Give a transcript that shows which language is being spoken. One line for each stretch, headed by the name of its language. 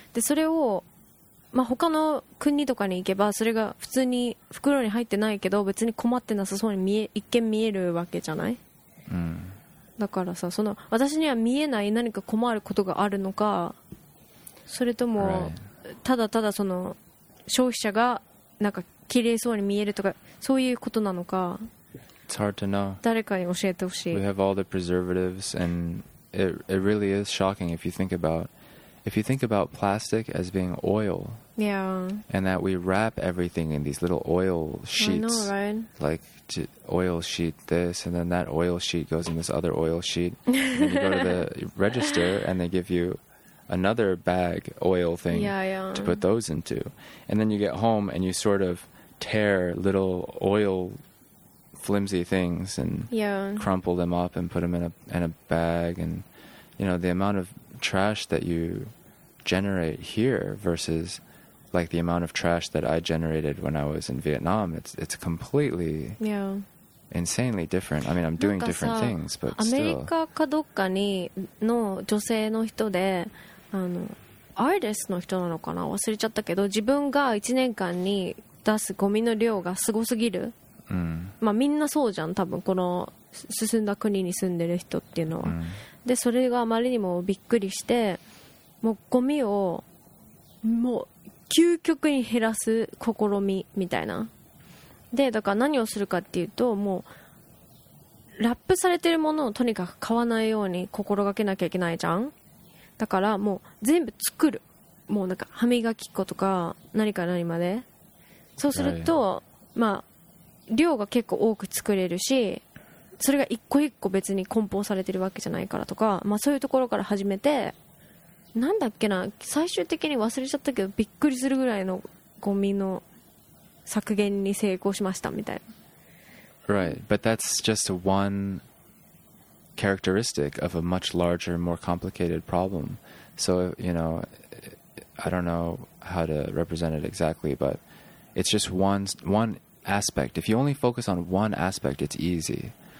Japanese: で、それを、まあ、他の国とかに行けばそれが普通に袋に入ってないけど別に困ってなさそうに見え一見見えるわけじゃない？うん、だからさ、その私には見えない何か困ることがあるのか、それともただただその消費者がなんか綺麗そうに見えるとかそういうことなのか。
English: It's hard to know.
Japanese: 誰かに教えてほしい。
English: We have all the preservatives, and it really is shocking if you think about plastic as being oil. Yeah. And that we wrap everything in these little oil sheets. I know, right? Like oil sheet this, and then that oil sheet goes in this other oil sheet. And you go to the register, and they give you another bag oil thing to put those into, and then you get home and you sort of tear little oil flimsy things and crumple them up and put them in a bag, and you know the amount of trash that you generate here versus like the amount of trash that I generated when I was in Vietnam, it's completely insanely different. I mean, I'm doing different things, but still.
Japanese: アメリカかどっかにの女性の人で、あのアーティストの人なのかな、忘れちゃったけど、自分が1年間に出すゴミの量がすごすぎる。うん、まあみんなそうじゃん、多分この進んだ国に住んでる人っていうのは、うん、でそれがあまりにもびっくりして、もうゴミをもう究極に減らす試みみたいな。でだから何をするかっていうと、もうラップされてるものをとにかく買わないように心がけなきゃいけないじゃん。だからもう全部作る、もうなんか歯磨き粉とか何から何まで。そうすると、はい、まあ量が結構多く作れるし、それが一個一個別に梱包されてるわけじゃないからとか、まあそういうところから始めて、なんだっけな、最終的に忘れちゃったけど、びっくりするぐらいのゴミの削減に成功しましたみたいな。
English: Right, but that's just one characteristic of a much larger, more complicated problem. So, you know, I don't know how to represent it exactly, but it's just one aspect. If you only focus on one aspect, it's easy.